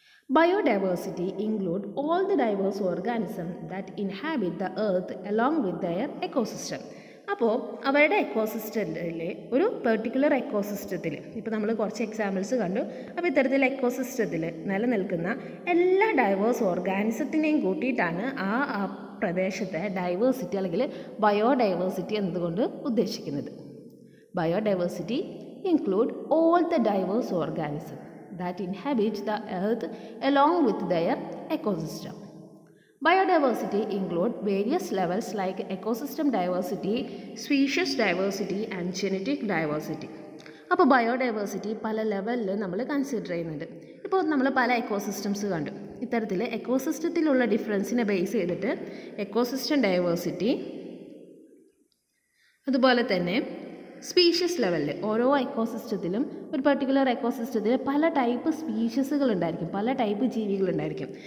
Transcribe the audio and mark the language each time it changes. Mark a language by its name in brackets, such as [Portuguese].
[English] Biodiversity include all the diverse organisms that inhabit the earth along with their ecosystem. [Malayalam] അപ്പോൾ അവരുടെ എക്കോസിസ്റ്റത്തിലെ ഒരു particular എക്കോസിസ്റ്റത്തിൽ, ഇപ്പോൾ നമ്മൾ കുറച്ച് എക്സാമ്പിൾസ് കണ്ടു. അപ്പോൾ ഇത്തരത്തിലെ എക്കോസിസ്റ്റത്തിൽ നിലനിൽക്കുന്ന എല്ലാ ഡൈവേഴ്സ് ഓർഗാനിസത്തിനെയും കൂട്ടിയിട്ടാണ് ആ പ്രദേശത്തെ ഡൈവേഴ്സിറ്റി അല്ലെങ്കിൽ ബയോഡൈവേഴ്സിറ്റി എന്നതുകൊണ്ട് ഉദ്ദേശിക്കുന്നത്. [English] Biodiversity include all the diverse organism that inhabit the earth along with their ecosystem. Biodiversity include various levels like ecosystem diversity, species diversity and genetic diversity. [Malayalam] അപ്പോൾ ബയോഡൈവേഴ്സിറ്റി പല ലെവലിൽ നമ്മൾ കൺസിഡർ ചെയ്യുന്നുണ്ട്. ഇപ്പോൾ നമ്മൾ പല എക്കോസിസ്റ്റംസ് കണ്ടു. ഇത്തരത്തിൽ എക്കോസിസ്റ്റത്തിലുള്ള ഡിഫറൻസിനെ ബേസ് ചെയ്തിട്ട് എക്കോസിസ്റ്റം ഡൈവേഴ്സിറ്റി, അതുപോലെ തന്നെ സ്പീഷ്യസ് ലെവലിൽ ഓരോ എക്കോസിസ്റ്റത്തിലും ഒരു പെർട്ടിക്കുലർ എക്കോസിസ്റ്റത്തിൽ പല ടൈപ്പ് സ്പീഷ്യസുകൾ ഉണ്ടായിരിക്കും, പല ടൈപ്പ് ജീവികളുണ്ടായിരിക്കും.